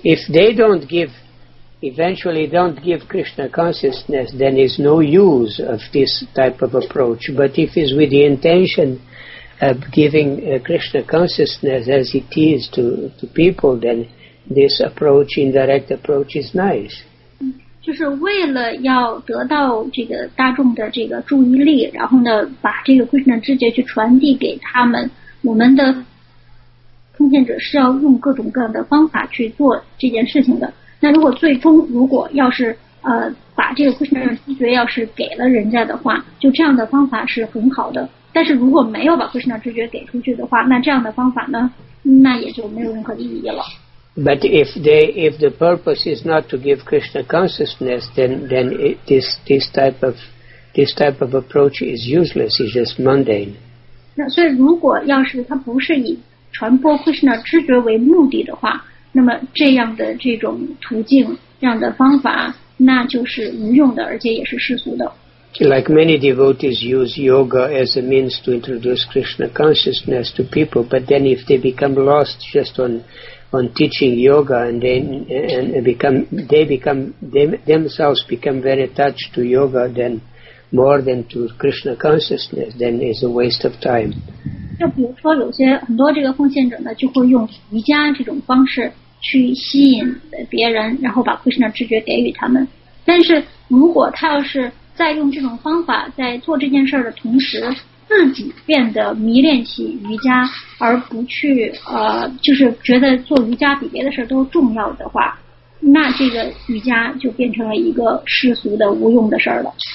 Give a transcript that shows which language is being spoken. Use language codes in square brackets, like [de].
[en] If they eventually don't give Krishna consciousness, then it's no use of this type of approach. But if it's with the intention of giving Krishna consciousness as it is to people, then this approach, indirect approach, is nice. [zh] 就是为了要得到这个大众的这个注意力，然后呢，把这个 Krishna 知觉去传递给他们，我们的奉献者是要用各种各样的方法去做这件事情的。那如果最终如果要是把这个 Krishna 的知觉要是给了人家的话，就这样的方法是很好的。但是如果没有把 Krishna 的知觉给出去的话，那这样的方法呢，那也就没有任何意义了。 [en] But if the purpose is not to give Krishna consciousness, then this type of approach is useless. It's just mundane. [zh] 那所以如果要是他不是以传播 Krishna 知觉为目的的话。那么这样的这种途径，这样的方法，那就是无用的，而且也是世俗的。 [en] Like many devotees use yoga as a means to introduce Krishna consciousness to people, but then if they become lost just on teaching yoga and they themselves become very attached to yoga, then more than to Krishna consciousness, then it's a waste of time. [zh] 就比如说有些很多这个奉献者呢，就会用瑜伽这种方式去吸引别人，然后把 Krishna 知觉给予他们。但是如果他要是在用这种方法在做这件事的同时自己变得迷恋起瑜伽，而不去就是觉得做瑜伽比别的事都重要的话，那这个瑜伽就变成了一个世俗的无用的事了。